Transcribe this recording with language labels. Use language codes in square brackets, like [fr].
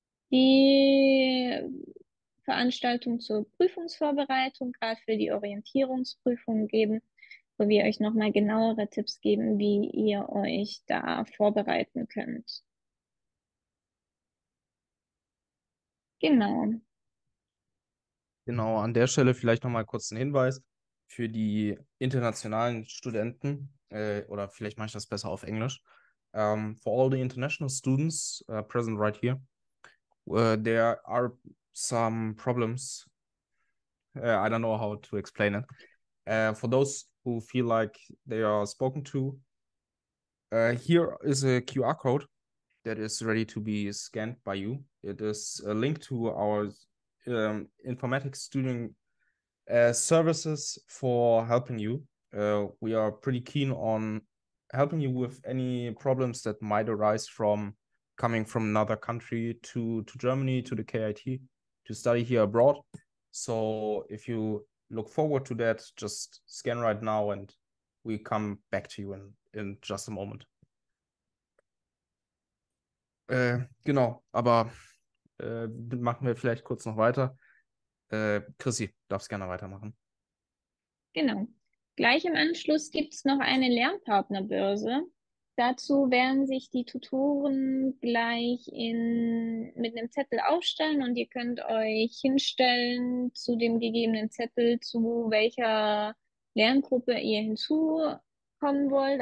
[de] die Veranstaltung zur Prüfungsvorbereitung, gerade für die Orientierungsprüfung, geben, wo wir euch nochmal genauere Tipps geben, wie ihr euch da vorbereiten könnt. Genau. Genau, an der Stelle vielleicht nochmal kurz einen Hinweis für die internationalen Studenten, oder vielleicht mache ich das besser auf Englisch. [en] For all the international students present right here, there are some problems. I don't know how to explain it. For those who feel like they are spoken to, here is a QR code that is ready to be scanned by you. It is a link to our informatics student services for helping you. We are pretty keen on helping you with any problems that might arise from coming from another country to Germany, to the KIT, to study here abroad. So if you look forward to that, just scan right now and we come back to you in just a moment. [de] Genau, aber machen wir vielleicht kurz noch weiter. Chrissy, darfst gerne weitermachen. Genau. Gleich im Anschluss gibt es noch eine Lernpartnerbörse. Dazu werden sich die Tutoren gleich mit einem Zettel aufstellen und ihr könnt euch hinstellen zu dem gegebenen Zettel, zu welcher Lerngruppe ihr hinzukommen wollt.